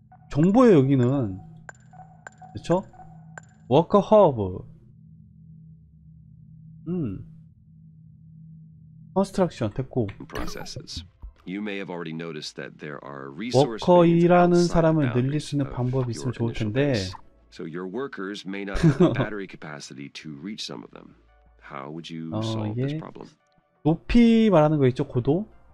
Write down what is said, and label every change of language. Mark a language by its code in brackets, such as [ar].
[ko] 정보예요, 여기는. 그렇죠? 워커 허브. 컨스트럭션 됐고. [en] Processes. You may have already noticed that there are resources. [ko] 워커이라는 사람을 늘릴 수 있는 방법이 있으면 좋을 텐데. [en] So your workers may not have the battery capacity to reach some of them. How would you solve this problem? [ko] 높이 말하는 거 있죠, 고도.